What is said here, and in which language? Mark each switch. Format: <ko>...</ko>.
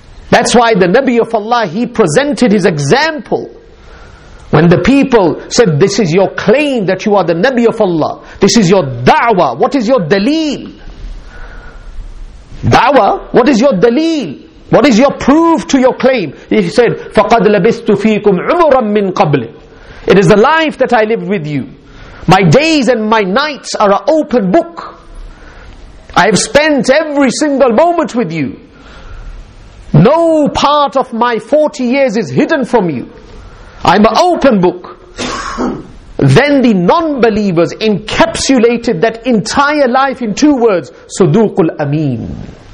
<en>That's why the Nabi of Allah, he presented his example. When the people said, this is your claim that you are the Nabi of Allah, this is your da'wah, what is your dalil? Da'wah, what is your dalil? What is your proof to your claim? He said,</en> <ar>فَقَدْ لَبِثْتُ فِيكُمْ عُمُرًا مِّن قَبْلِ.</ar> <en>It is the life that I lived with you. My days and my nights are an open book. I have spent every single moment with you. No part of my 40 years is hidden from you. I'm an open book. Then the non-believers encapsulated that entire life in two words, صُدُوقُ الْأَمِينَ.</en>